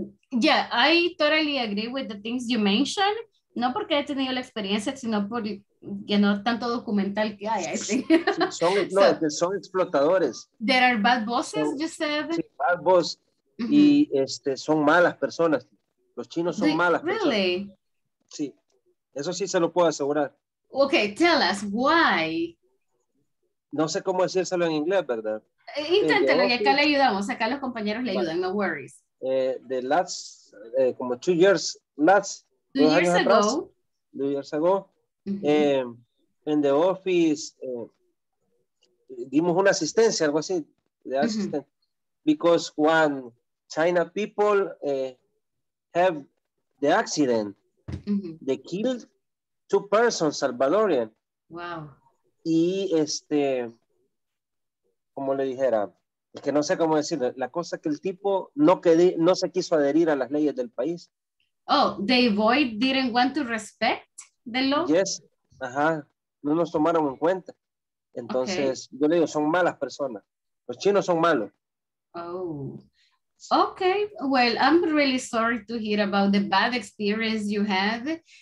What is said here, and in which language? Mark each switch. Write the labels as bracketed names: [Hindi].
[English] Yeah, I totally agree with the things you mentioned. [Spanish] No porque he tenido la experiencia, sino porque no tanto documental que hay. [English] I think. [Spanish] Son explotadores. [English] There are bad bosses, you said. [Spanish] Sí, [English] bad boss. [Spanish] Mm-hmm. Y son malas personas. Los chinos son malas [English] really? [Spanish] Personas. Sí. Eso sí se lo puedo asegurar. [English] Okay, tell us why. [Spanish] No sé cómo decírselo en inglés, ¿verdad? Inténtelo, y acá le ayudamos. Acá los compañeros le ayudan, [English] no worries. The last, [Spanish] como [English] 2 years, last. Two years ago. [Spanish] Mm-hmm. [English] In the office, [Spanish] dimos una asistencia, algo así. De asistencia. Mm-hmm. [English] Because when China people have the accident, mm-hmm. they killed 2 persons, Salvadorian. Wow. [Spanish] Y como le dijera, es que no sé cómo decirlo, la cosa que el tipo no se quiso adherir a las leyes del país. [English] Oh, they void didn't want to respect the law? [Spanish] Yes, ajá, no nos tomaron en cuenta. Entonces, okay. Yo le digo, son malas personas. Los chinos son malos. [English] Oh, okay. Well, I'm really sorry to hear about the bad experience you had.